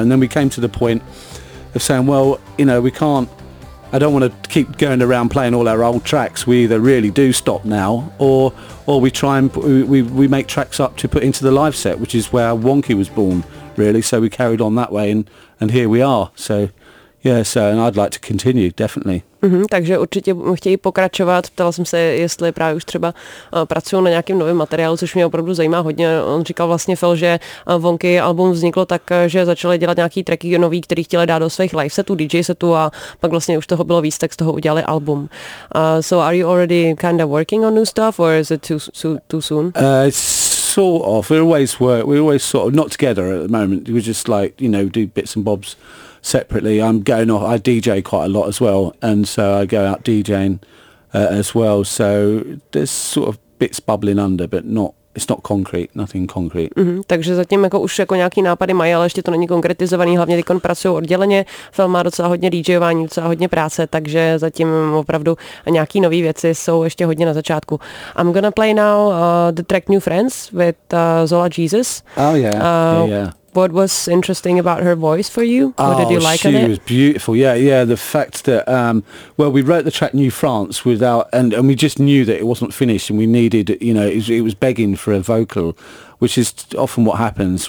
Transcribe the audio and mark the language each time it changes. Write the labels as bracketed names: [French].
[English] And then we came to the point of saying, well, you know, we can't. I don't want to keep going around playing all our old tracks. We either really do stop now, or we try and we make tracks up to put into the live set, which is where Wonky was born. Really, so we carried on that way, and here we are. So, yeah. So, and I'd like to continue, definitely. [Czech] Mm-hmm, takže určitě chtějí pokračovat. Ptala jsem se, jestli právě už třeba pracují na nějakém novém materiálu, což mě opravdu zajímá hodně. On říkal vlastně Phil, že Wonky album vzniklo tak, že začali dělat nějaký tracky nový, který chtěli dát do svých live setů, DJ setů, a pak vlastně už toho bylo víc, tak z toho udělali album. [English] So, are you already kind of working on new stuff, or is it too soon? Sort of. We always sort of not together at the moment. We just like, you know, do bits and bobs separately. I'm going off. I DJ quite a lot as well, and so I go out DJing as well. So there's sort of bits bubbling under, but not. It's not concrete. Nothing concrete. Mm-hmm. [Czech] Takže zatím jako už jako nějaký nápady mají, ale ještě to není konkretizovaný. Hlavně teď on pracuje odděleně. Film má docela hodně DJování, docela hodně práce, takže zatím opravdu nějaký nový věci jsou ještě hodně na začátku. [English] I'm gonna play now the track New Friends with Zola Jesus. Oh yeah. What was interesting about her voice for you? What did you like of it? She was beautiful. Yeah. The fact that, we wrote the track New France without, and we just knew that it wasn't finished, and we needed, you know, it was begging for a vocal, which is often what happens.